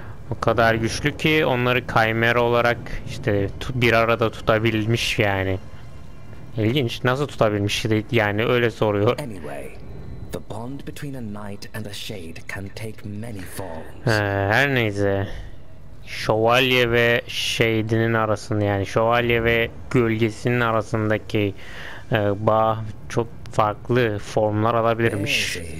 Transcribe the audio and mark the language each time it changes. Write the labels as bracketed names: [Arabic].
[Turkish] O kadar güçlü ki onları kaymera olarak işte bir arada tutabilmiş yani. İlginç. Nasıl tutabilmiş yani, öyle soruyor. [English] Anyway, the bond between a knight and a shade can take many forms. [Turkish] Her neyse. Şövalye ve shade'inin arasında, yani şövalye ve gölgesinin arasındaki bağ çok farklı formlar alabilirmiş.